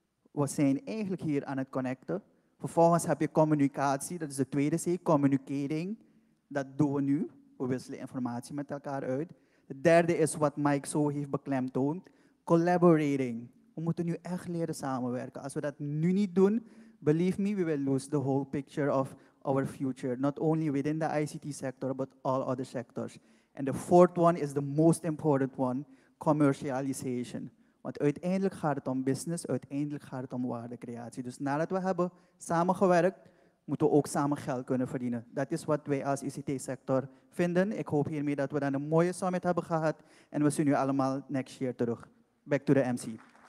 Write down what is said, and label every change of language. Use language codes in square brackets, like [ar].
[nl] We zijn eigenlijk hier aan het connecten. Vervolgens heb je communicatie, dat is de tweede C, communicering. Dat doen we nu. We wisselen informatie met elkaar uit. De derde is wat Mike zo heeft beklemtoond. Collaborating. We moeten nu echt leren samenwerken. Als we dat nu niet doen, [en] believe me, we will lose the whole picture of our future. Not only within the ICT sector, but all other sectors. And the fourth one is the most important one, commercialization. [nl] Want uiteindelijk gaat het om business, uiteindelijk gaat het om waardecreatie. Dus nadat we hebben samengewerkt, moeten we ook samen geld kunnen verdienen. Dat is wat wij als ICT-sector vinden. Ik hoop hiermee dat we dan een mooie summit hebben gehad. En we zien u allemaal [en] next year [nl] terug. [en] Back to the MC.